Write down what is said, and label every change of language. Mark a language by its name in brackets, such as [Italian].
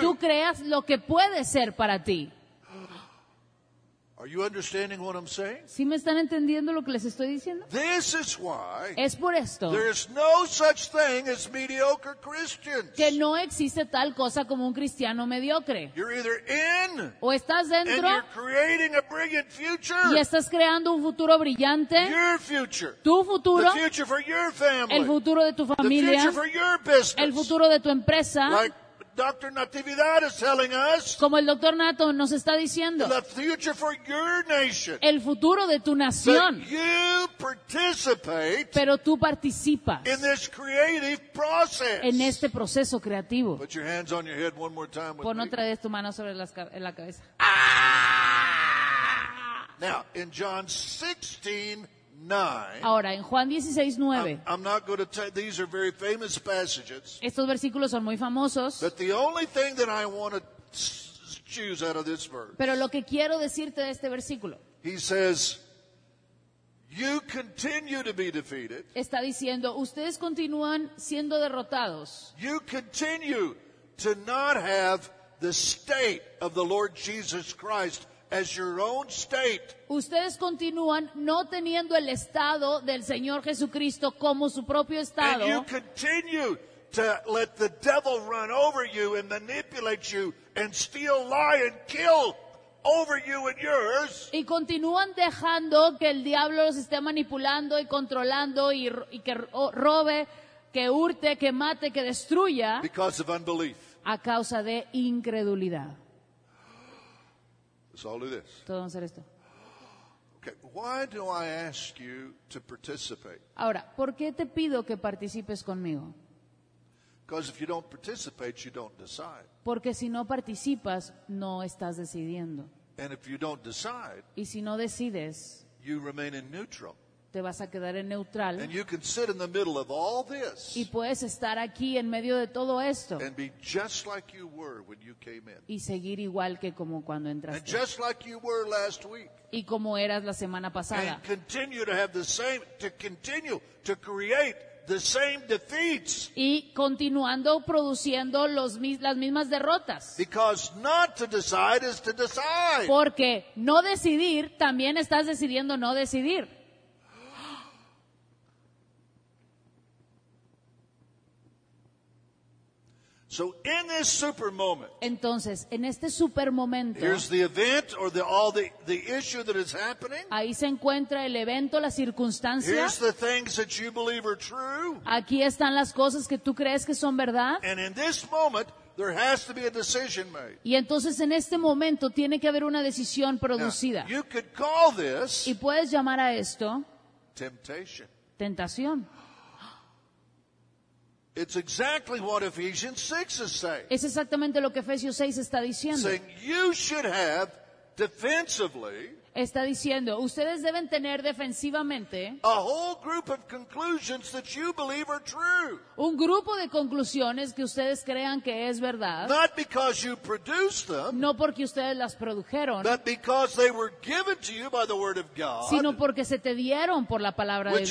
[Spanish] Tú creas lo que puede ser para ti. [English] Are you understanding what I'm saying? [Spanish] ¿Sí me están entendiendo lo que les estoy diciendo? [English] This is why. [Spanish] Es por esto. [English] There is no such thing as mediocre Christians. [Spanish] Que no existe tal cosa como un cristiano mediocre. [English] You're either in. [Spanish] O estás dentro. [English] And you're creating a brilliant future. [Spanish] Y estás creando un futuro brillante. [English] Your future. [Spanish] Tu futuro. [English] The future for your family. [Spanish] El futuro de tu familia. [English] The future for your business. [Spanish] El futuro de tu empresa. [English] Like Dr. Natividad is telling us. [Spanish] Como el Dr. Nato nos está diciendo. [English] The future for your nation. [Spanish] El futuro de tu nación. [English] But you participate. [Spanish] Pero tú participas. [English] In this creative process. [Spanish] En este proceso creativo. [English] Put your hands on your head one more time with [Spanish] Pon [English] me. [Spanish] Pon otra vez tu mano sobre en la cabeza. [English] Now, in John 16, 9, [Spanish] Ahora, en Juan 16, 9. [English] I'm not going to tell, these are very famous passages. [Spanish] Estos versículos son muy famosos. [English] But the only thing that I want to choose out of this verse. [Spanish] Pero lo que quiero decirte de este versículo. [English] He says, you continue to be defeated. [Spanish] Está diciendo, ustedes continúan siendo derrotados. [English] You continue to not have the state of the Lord Jesus Christ. As your own state. [Spanish] Ustedes continúan no teniendo el estado del Señor Jesucristo como su propio estado. [English] And you continue to let the devil run over you and manipulate you and steal, lie, and kill over you and yours. [Spanish] Y continúan dejando que el diablo los esté manipulando y controlando y que robe, que hurte, que mate, que destruya. [English] Because of unbelief. [Spanish] A causa de incredulidad. [English] So I'll do this. [Spanish] Todo vamos a hacer esto. [English] Okay, why do I ask you to participate? [Spanish] Ahora, ¿por qué te pido que participes conmigo? [English] Because if you don't participate, you don't decide. [Spanish] Porque si no participas, no estás decidiendo. [English] And if you don't decide, [Spanish] y si no decides, [English] you remain in neutral. [Spanish] te vas a quedar en neutral. [English] And you can sit in the middle of all this. [Spanish] Y puedes estar aquí en medio de todo esto. [English] And be just like you were when you came in. [Spanish] Y seguir igual que como cuando entraste. [English] And just like you were last week. [Spanish] Y como eras la semana pasada. [English] And continue to have the same, to continue to create the same defeats. [Spanish] Y continuando produciendo las mismas derrotas. [English] Because not to decide is to decide. [Spanish] Porque no decidir también estás decidiendo no decidir. [English] So in this super moment. [Spanish] Entonces, en este super momento. [English] Here's the event or the issue that is happening. [Spanish] Ahí se encuentra el evento, la circunstancia. [English] Here's the things that you believe are true. [Spanish] Aquí están las cosas que tú crees que son verdad. [English] And in this moment there has to be a decision made. [Spanish] Y entonces en este momento tiene que haber una decisión producida. [English] Now, you could call this. [Spanish] Y puedes llamar a esto. [English] Temptation. [Spanish] Tentación. [English] It's exactly what Ephesians 6 is saying. [Spanish] Es exactamente lo que Efesios 6 está diciendo. [English] Saying you should have defensively. [Spanish] Está diciendo, ustedes deben tener defensivamente. [English] A whole group of conclusions that you believe are true. [Spanish] Un grupo de conclusiones que ustedes crean que es verdad. [English] Not because you produced them. [Spanish] No porque ustedes las produjeron. [English] But because they were given to you by the word of God. [Spanish] Sino porque se te dieron por la palabra de Dios.